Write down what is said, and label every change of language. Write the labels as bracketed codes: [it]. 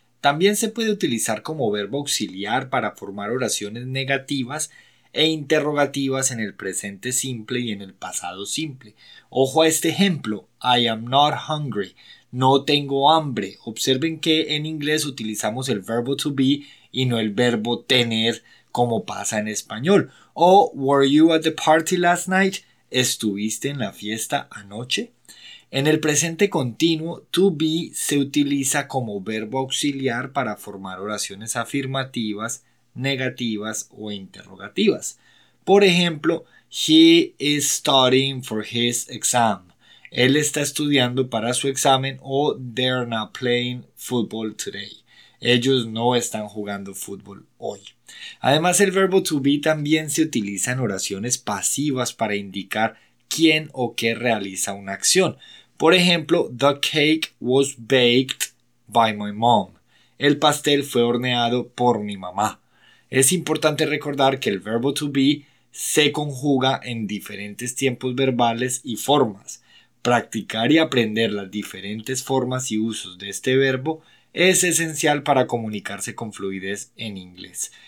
[es] También se puede utilizar como verbo auxiliar para formar oraciones negativas e interrogativas en el presente simple y en el pasado simple. Ojo a este ejemplo, [en] I am not hungry, [es] no tengo hambre. Observen que en inglés utilizamos el verbo to be y no el verbo tener como pasa en español. [en] O were you at the party last night? [es] ¿Estuviste en la fiesta anoche? En el presente continuo, to be se utiliza como verbo auxiliar para formar oraciones afirmativas, negativas o interrogativas. Por ejemplo, [en] he is studying for his exam. [es] Él está estudiando para su examen o [en] they're not playing football today. [es] Ellos no están jugando fútbol hoy. Además, el verbo to be también se utiliza en oraciones pasivas para indicar quién o qué realiza una acción. Por ejemplo, [en] the cake was baked by my mom. [es] El pastel fue horneado por mi mamá. Es importante recordar que el verbo to be se conjuga en diferentes tiempos verbales y formas. Practicar y aprender las diferentes formas y usos de este verbo es esencial para comunicarse con fluidez en inglés.